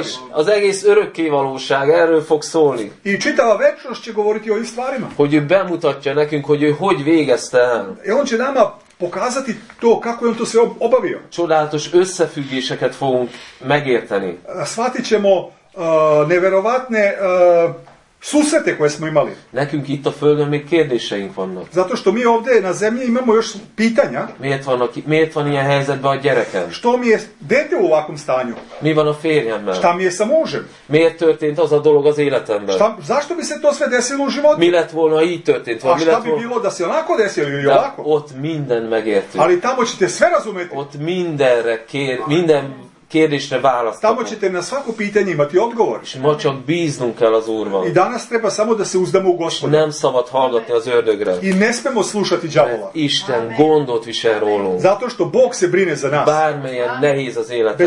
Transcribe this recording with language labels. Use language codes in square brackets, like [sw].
[hu] És az egész örökké valóság, erről fog szólni. [sr] I čitava večnost će govoriti o ovim stvarima. [hu] Hogy ő bemutatja nekünk, hogy ő hogy végezte el. [sr] I on će nama pokazati to, kako je on to sve obavio. [hu] Csodálatos összefüggéseket fogunk megérteni. [sr] Shvatit ćemo neverovatne susete koje smo imali. [hu] Nekim kito földön még kérdéseink vannak. [sr] Zato što mi ovdje na zemlji imamo još pitanja. [hu] Miért van ilyen helyzetben a gyerekem? [sr] Što mi je dete u ovakvom stanju? [hu] Mi van a férjemmel? [sr] Šta mi je sa mužem? [hu] Miért történt az a dolog az életemben? [sr] Zašto bi se to sve desilo u životu? [hu] Mi lett volna, ha így történt volna. [sr] A šta bi bilo da se onako desilo ili ovako? [hu] Ott minden megértünk. [sr] Ali tamo ćete sve razumeti. [hu] Ott mindenre minden kérdésre választ. [sr] Tamo ćete na svako pitanje imati odgovor. [hu] Mi csak bíznunk kell az Úrban. [sr] I danas treba samo da se uzdamo u Gospoda. [hu] Nem szabad hallgatni az ördögre. [sr] I ne smemo slušati đavola. [hu] Isten gondot visel rólunk. [sr] Zato što Bog se brine za nas. [hu] Bármilyen nehéz az életed.